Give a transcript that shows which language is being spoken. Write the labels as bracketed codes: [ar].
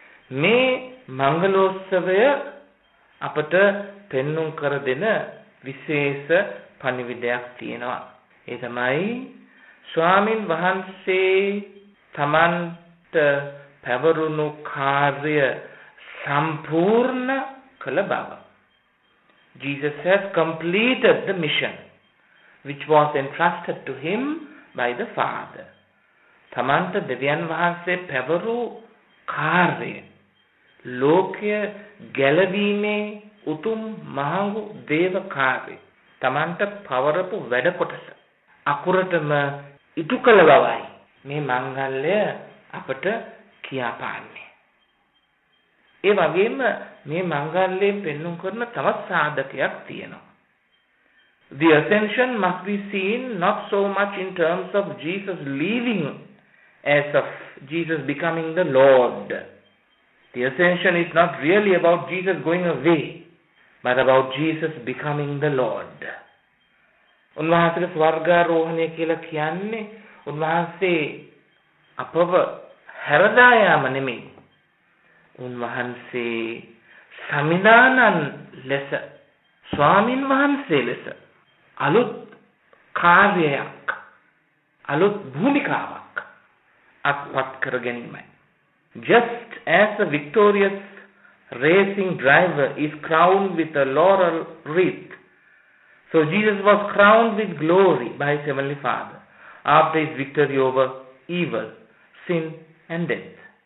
[si] මේ මංගලෝත්සවය අපට පෙන්නුම් කර දෙන විශේෂ පණිවිඩයක් තියෙනවා. ඒ තමයි ස්වාමීන් වහන්සේ තමන්ට පැවරුණු කාර්ය සම්පූර්ණ කළ බව. [en] Jesus has completed the mission which was entrusted to him by the Father. [si] තමන්ට දෙවියන් වහන්සේ පැවරු කාර්ය ලෝකය ගැලවීමේ උතුම් මහඟු දේව කාර්ය තමන්ට පවරපු වැඩ කොටස අකුරටම ඉටු කළ බවයි මේ මංගල්‍ය අපට කියපාන්නේ. ඒ වගේම මේ මංගල්‍යයෙන් පෙන්නුම් කරන තවත් සාධකයක් තියෙනවා. [en] The ascension must be seen not so much in terms of Jesus leaving as of Jesus becoming the Lord. The ascension is not really about Jesus going away, but about Jesus becoming the Lord. [si] උන්වහන්සේ ස්වර්ගාරෝහණය කියලා කියන්නේ උන්වහන්සේ අපව හැරදා යාම නෙමෙයි. උන්වහන්සේ සමිදානන් ලෙස ස්වාමින් වහන්සේ ලෙස අලුත් කාර්යයක් අලුත් භූමිකාවක් අත්පත් කර ගැනීමයි. [en] Just as a victorious racing driver is crowned with a laurel wreath, so Jesus was crowned with glory by his heavenly Father after his victory over evil, sin and death.